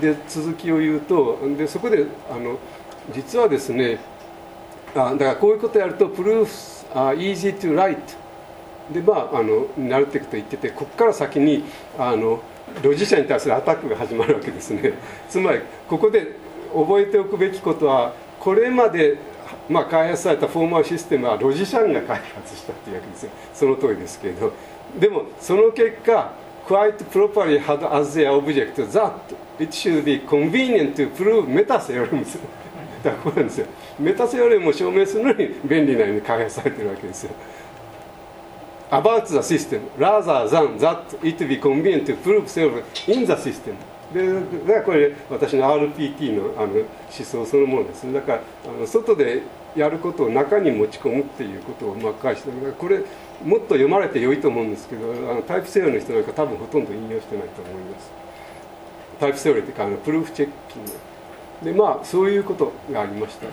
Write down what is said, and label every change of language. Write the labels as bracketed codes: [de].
[ja] で続きを言うと、でそこであの実はですね、あだからこういうことやると [en] Proofs are easy to write [ja] で、まあ、あの慣れていくと言ってて、ここから先にあの露地者に対するアタックが始まるわけですね。つまりここで覚えておくべきことは、これまで、まあ、開発されたフォーマルシステムは露地者が開発したというわけですよ。その通りですけれど、でもその結果 [en] quite properly had as their object that it should be convenient to prove meta theorems [ja] だからなんですよ。メタセオレムを証明するのに便利なように開発されているわけですよ。 [en] About the system, rather than that it be convenient to prove self in the system. [ja] で、だからこれ私の RPT の、 あの思想そのものです。だからあの外でやることを中に持ち込むっていうことをまあ返して、これもっと読まれて良いと思うんですけど、あのタイプセオリーの人なんか多分ほとんど引用してないと思います。タイプセオリーというかあのプルーフチェッキング。で、まあそういうことがありました。